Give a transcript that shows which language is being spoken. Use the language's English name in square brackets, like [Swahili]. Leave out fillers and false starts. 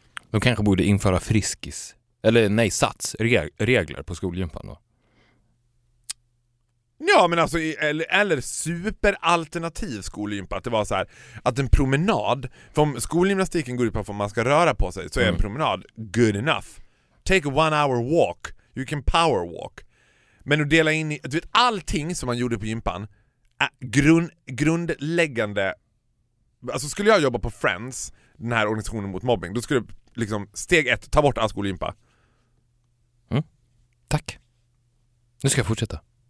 [Swedish] De kanske borde införa friskis eller nej, sats, regler på skolgympan då. Ja, men alltså, eller superalternativ skolgympa, att det var så här, att en promenad, för om skolgymnastiken går ut på att man ska röra på sig, så är en promenad [English] good enough. Take a 1 hour walk, you can power walk. [Swedish] Men att dela in i, du vet, allting som man gjorde på gympan, grundläggande, alltså skulle jag jobba på Friends, den här organisationen mot mobbing, då skulle liksom steg 1, ta bort all skolgympa. Mm. Tack. Nu ska jag fortsätta.